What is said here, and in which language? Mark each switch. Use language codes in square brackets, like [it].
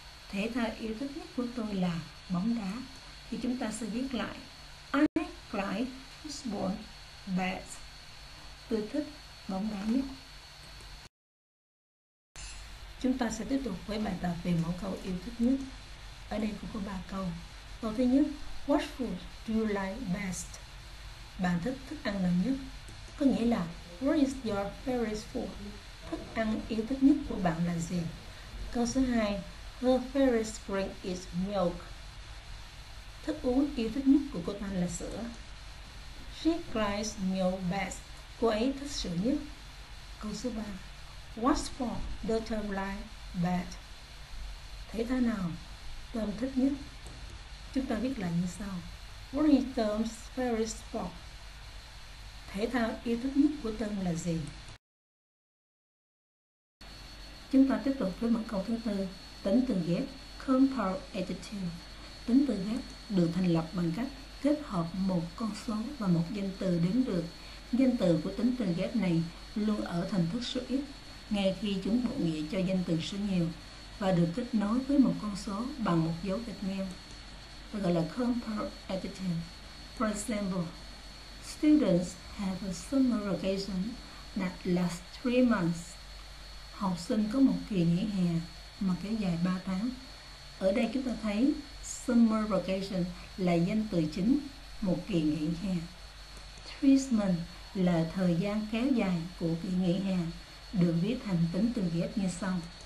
[vi] Thể thao yêu thích nhất của tôi là bóng đá. Thì chúng ta sẽ viết lại, [en] I like football best. [vi] Tôi thích bóng đá nhất. Chúng ta sẽ tiếp tục với bài tập về mẫu câu yêu thích nhất. Ở đây cũng có 3 câu. Câu thứ nhất, [en] what food do you like best? [vi] Bạn thích thức ăn nào nhất? Có nghĩa là [en] what is your favorite food? [vi] Thức ăn yêu thích nhất của bạn là gì? Câu số 2, [en] her favorite drink is milk. [vi] Thức uống yêu thích nhất của cô ta là sữa. [en] She likes milk best. [vi] Cô ấy thích sữa nhất. Câu số 3, [en] what sport does her like best? [vi] Thể thao nào tâm thích nhất? Chúng ta viết lại như sau. [en] What is Tom's favorite sport? [vi] Thể thao yêu thích nhất của Tom là gì? Chúng ta tiếp tục với mẫu câu thứ tư. Tính từ ghép, compound adjective. Tính từ ghép được thành lập bằng cách kết hợp một con số và một danh từ đếm được. Danh từ của tính từ ghép này luôn ở thành thức số ít, ngay khi chúng bổ nghĩa cho danh từ số nhiều, và được kết nối với một con số bằng một dấu gạch ngang. Và gọi là compound adjective. [en] For example, students have a summer vacation that lasts 3 months. [vi] Học sinh có một kỳ nghỉ hè mà kéo dài 3 tháng. Ở đây chúng ta thấy summer vacation là danh từ chính, một kỳ nghỉ hè. 3 months là thời gian kéo dài của kỳ nghỉ hè, được viết thành tính từ ghép như sau.